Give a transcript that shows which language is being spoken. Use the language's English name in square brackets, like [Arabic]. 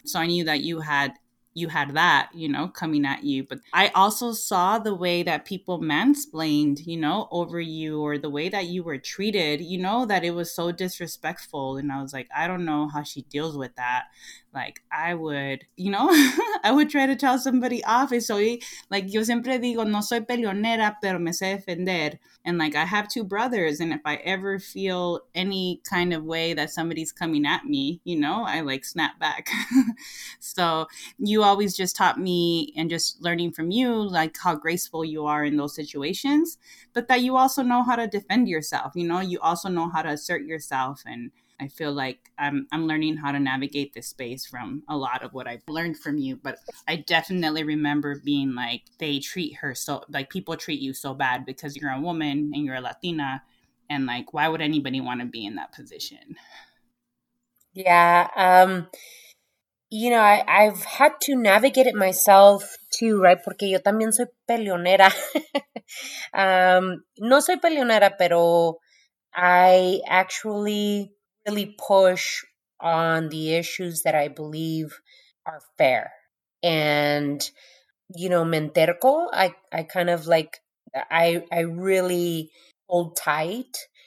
[English] So I knew that you had that, you know, coming at you. But I also saw the way that people mansplained, you know, over you, or the way that you were treated, you know, that it was so disrespectful. And I was like, I don't know how she deals with that. Like, I would, you know, I would try to tell somebody off. And so, like, [Spanish] yo siempre digo, no soy peleonera, pero me sé defender. [English] And, like, I have two brothers. And if I ever feel any kind of way that somebody's coming at me, you know, I, like, snap back. So you always just taught me, and just learning from you, like how graceful you are in those situations, but that you also know how to defend yourself. You know, you also know how to assert yourself. And I feel like I'm learning how to navigate this space from a lot of what I've learned from you. But I definitely remember being like, they treat her so, like people treat you so bad because you're a woman and you're a Latina. And like, why would anybody want to be in that position? Yeah. You know, I've had to navigate it myself too, right? [Spanish] Porque yo también soy peleonera. no soy peleonera, pero [English] I actually really push on the issues that I believe are fair. And, you know, [Spanish] me enterco, [English] I kind of like, I really hold tight.